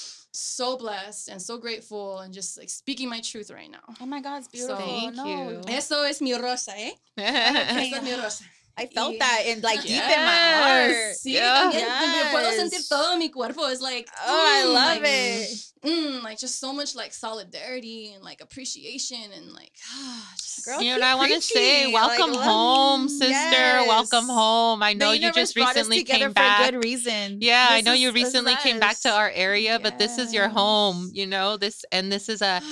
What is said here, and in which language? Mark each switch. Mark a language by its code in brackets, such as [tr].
[en] So blessed and so grateful, and just like speaking my truth right now. Oh my God, it's beautiful. Thank you. [es] Eso es mi rosa, eh? Eso es mi rosa. [en] I felt that in like deep in my heart. [es] Sí, también puedo sentir todo mi cuerpo. [en] It's like, I love like, it. Like just so much like solidarity and like appreciation and like, girl, you know what I want to say? Welcome like, home, sister. Yes. Welcome home. I know you just recently came back. For a good reason. Yeah, this I know is, you recently came back to our area, but this is your home, you know, this, and this is a